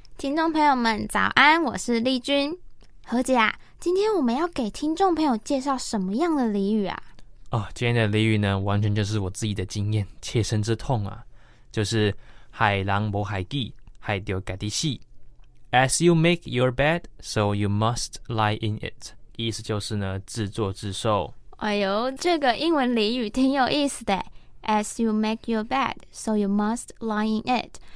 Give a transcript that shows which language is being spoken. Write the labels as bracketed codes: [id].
[zh] 听众朋友们早安，我是丽君。何姐啊，今天我们要给听众朋友介绍什么样的俚语啊？哦，今天的俚语呢，完全就是我自己的经验，切身之痛啊，就是海人无海记，海就家己死。 [en] As you make your bed, so you must lie in it。 [zh] 意思就是呢，自作自受。哎呦，这个英文俚语挺有意思的。 [en] As you make your bed, so you must lie in it。